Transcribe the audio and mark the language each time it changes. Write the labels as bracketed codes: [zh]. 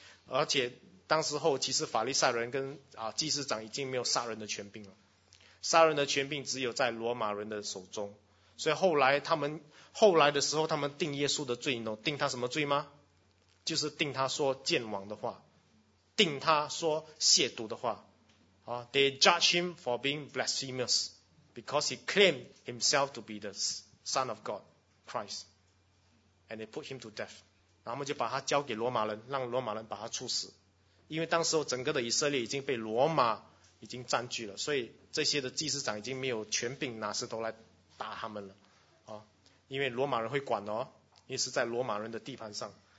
[zh] 而且当时候其实法利赛人跟祭司长已经没有杀人的权柄了，杀人的权柄只有在罗马人的手中。所以后来他们后来的时候，他们定耶稣的罪呢，定他什么罪吗？就是定他说见王的话，定他说亵渎的话。 [en] They judge him for being blasphemous because he claimed himself to be the son of God, Christ. And they put him to death. [zh] 然后他们就把他交给罗马人，让罗马人把他处死。因为当时候整个的以色列已经被罗马已经占据了，所以这些的祭司长已经没有权柄拿石头来打他们了。因为罗马人会管哦，因为是在罗马人的地盘上。